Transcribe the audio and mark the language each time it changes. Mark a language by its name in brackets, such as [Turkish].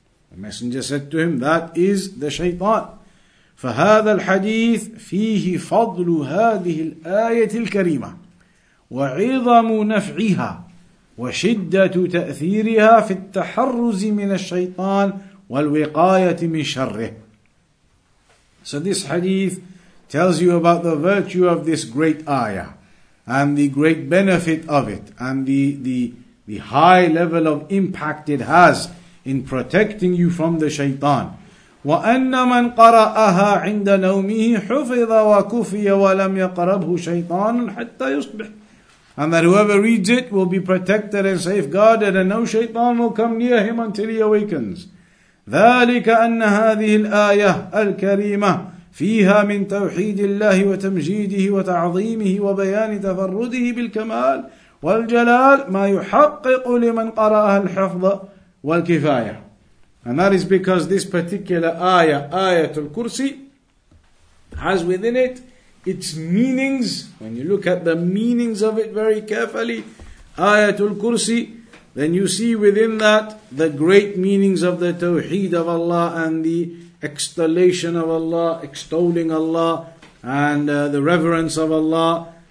[English] The messenger said to him, That is the shaitan. [Arabic] فهذا الحديث فيه فضل هذه الآية الكريمة وعظم نفعها وشدة تأثيرها في التحرز من الشيطان والوقاية من شره. [English] So this hadith tells you about the virtue of this great ayah and the great benefit of it and the high level of impact it has in protecting you from the shaitan. [Arabic] وَأَنَّ مَنْ قَرَأَهَا عِنْدَ نَوْمِهِ حُفِظَ وَكُفِيَ وَلَمْ يَقْرَبْهُ شَيْطَانٌ حَتَّى يُصْبِحُ [English] And that whoever reads it will be protected and safeguarded and no shaitan will come near him until he awakens. [Arabic] ذلك أن هذه الآية الكريمة فيها من توحيد الله وتمجيده وتعظيمه وبيان تفرده بالكمال والجلال ما يحقق لمن قرأها الحفظ wal-kifaya. [English] And that is because this particular ayah, Ayatul Kursi, has within it its meanings. When you look at the meanings of it very carefully, Ayatul Kursi, then you see within that the great meanings of the Tawheed of Allah and the extollation of Allah, extolling Allah, and the reverence of Allah.